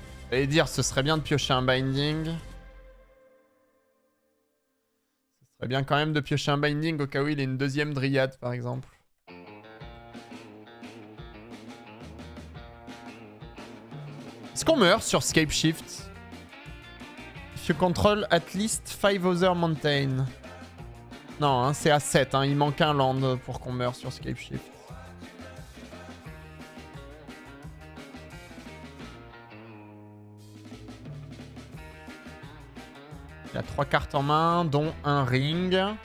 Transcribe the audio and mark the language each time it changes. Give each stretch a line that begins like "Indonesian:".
French: J'allais dire, ce serait bien de piocher un binding. Ce serait bien quand même de piocher un binding au cas où il ait une deuxième dryade, par exemple. Est-ce qu'on meurt sur Scape Shift?
English: If you control at least 5 other mountains.
French: Non, hein, c'est à 7. Hein. Il manque un land pour qu'on meure sur Scape Shift. Il y a 3 cartes en main, dont un ring.